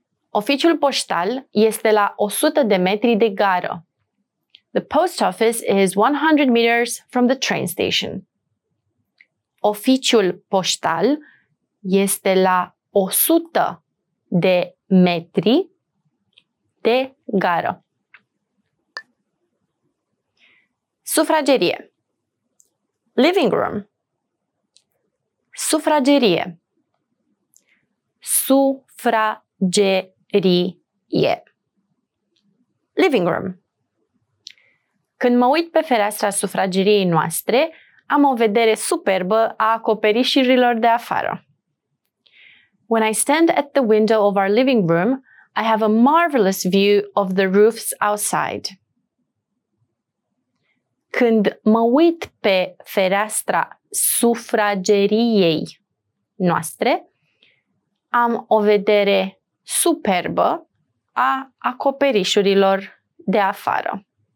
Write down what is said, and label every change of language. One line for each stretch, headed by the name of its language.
Romanian: Oficiul poștal este la 100 de metri de gară.
English: The post office is 100 meters from the train station.
Romanian: Oficiul poștal este la 100 de metri de gară. Sufragerie.
English: Living room.
Romanian: Sufragerie. Sufragerie.
English: Living room.
Romanian: Când mă uit pe fereastra sufrageriei noastre, am o vedere superbă a acoperișurilor de afară.
English: When I stand at the window of our living room, I have a marvelous view of the roofs outside.
Romanian: Când mă uit pe fereastra sufrageriei noastre, am o vedere superbă a acoperișurilor de afară.